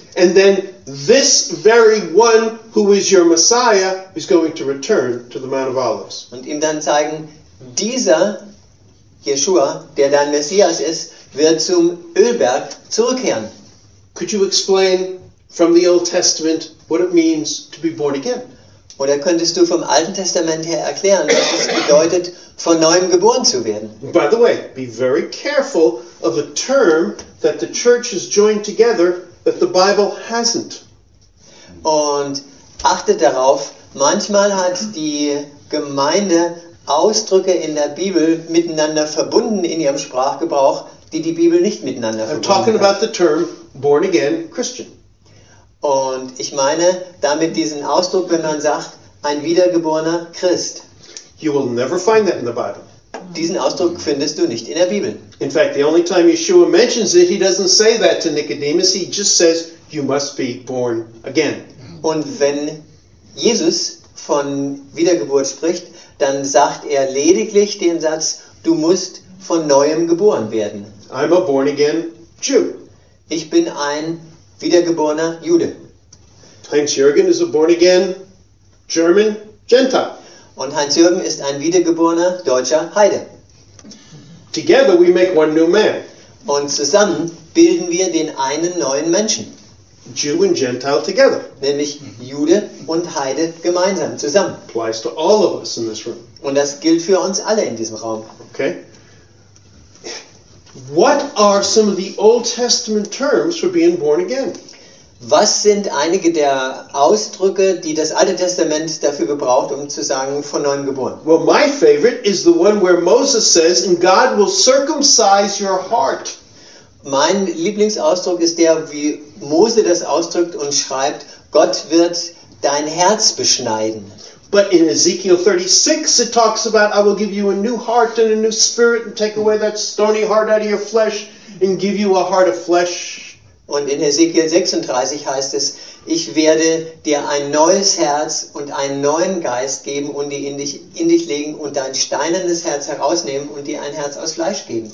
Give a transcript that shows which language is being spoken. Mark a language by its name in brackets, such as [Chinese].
[English] And then this very one who is your Messiah is going to return to the Mount of Olives. [German] Und ihm dann zeigen, dieser Yeshua, der dein Messias ist, wird zum Ölberg zurückkehren. [English] Could you explain from the Old Testament what it means to be born again? [German] Oder könntest du vom Alten Testament her erklären, was es bedeutet, von neuem geboren zu werden? [English] By the way, be very careful of a term that the church has joined together that the Bible hasn't. [German] Und achte darauf, manchmal hat die Gemeinde Ausdrücke in der Bibel miteinander verbunden in ihrem Sprachgebrauch, die die Bibel nicht miteinander verbunden hat. [English] I'm talking about the term born again Christian. [German] Und ich meine damit diesen Ausdruck, wenn man sagt, ein wiedergeborener Christ. [English] You will never find that in the Bible. [German] Diesen Ausdruck findest du nicht in der Bibel. [English] In fact, the only time Yeshua mentions it, he doesn't say that to Nicodemus, he just says, you must be born again. [German] Und wenn Jesus von Wiedergeburt spricht, dann sagt er lediglich den Satz, du musst von Neuem geboren werden. [English] I'm a born again Jew. [German] Ich bin ein wiedergeborener Jude. [English] Heinz-Jürgen is a born again German Gentile. [German] Und Heinz-Jürgen ist ein wiedergeborener deutscher Heide. [English] Together we make one new man. [German] Und zusammen bilden wir den einen neuen Menschen. [English] Jew and Gentile together. [German] Nämlich Jude und Heide gemeinsam, zusammen. [English] Applies to all of us in this room. [German] Und das gilt für uns alle in diesem Raum. [English] Okay. What are some of the Old Testament terms for being born again? [German] Was sind einige der Ausdrücke, die das Alte Testament dafür gebraucht, um zu sagen, von neuem geboren? [English] Well, my favorite is the one where Moses says, "And God will circumcise your heart." [German] Mein Lieblingsausdruck ist der, wie Mose das ausdrückt und schreibt, Gott wird dein Herz beschneiden. [English] But in Ezekiel 36, it talks about, I will give you a new heart and a new spirit and take away that stony heart out of your flesh and give you a heart of flesh. [German] Und in Ezekiel 36 heißt es, ich werde dir ein neues Herz und einen neuen Geist geben und die in dich legen und dein steinernes Herz herausnehmen und dir ein Herz aus Fleisch geben.